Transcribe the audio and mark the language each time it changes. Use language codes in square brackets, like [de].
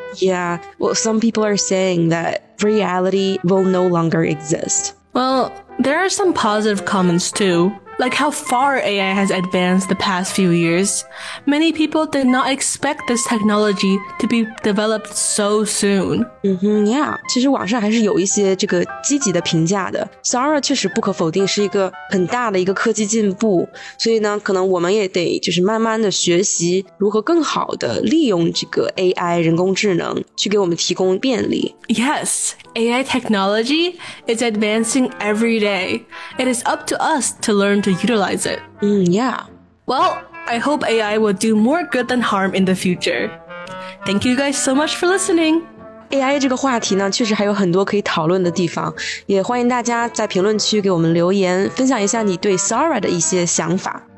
[en] Yeah, well, some people are saying that reality will no longer exist. Well, there are some positive comments too, like how far AI has advanced the past few years. Many people did not expect this technology to be developed so soon. [zh] Yeah, 其实网上还是有一些这个积极的评价的。 Sora 确实不可否定是一个很大的一个科技进步，所以呢，可能我们也得就是慢慢的学习如何更好的利用这个 AI 人工智能去给我们提供便利。 [en] Yes, AI technology is advancing every day. It is up to us to learn to utilize it. Yeah. Well, I hope AI will do more good than harm in the future. Thank you guys so much for listening. [zh] AI 这个话题呢确实还有很多可以讨论的地方，也欢迎大家在评论区给我们留言，分享一下你对 Sora 的一些想法。